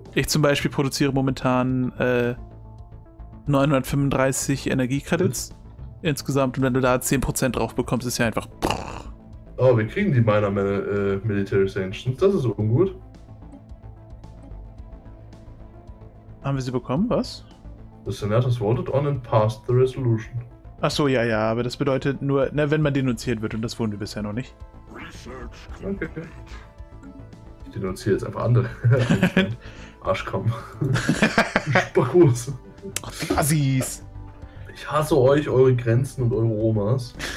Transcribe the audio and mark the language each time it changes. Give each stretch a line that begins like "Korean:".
German: Ich zum Beispiel produziere momentan 935 Energiekredits insgesamt und wenn du da 10% drauf bekommst, ist ja einfach. Oh, wir kriegen die Minor Military Sanctions, das ist ungut. Haben wir sie bekommen? Was?
English: The Senate has voted on and passed the resolution.
German: Ach so, ja, aber das bedeutet nur, ne, wenn man denunziert wird und das wurden wir bisher noch nicht. Okay. Ich denunziere jetzt einfach andere. Arschkamm. Spackos. Assis. Ich hasse euch, eure Grenzen und eure Omas.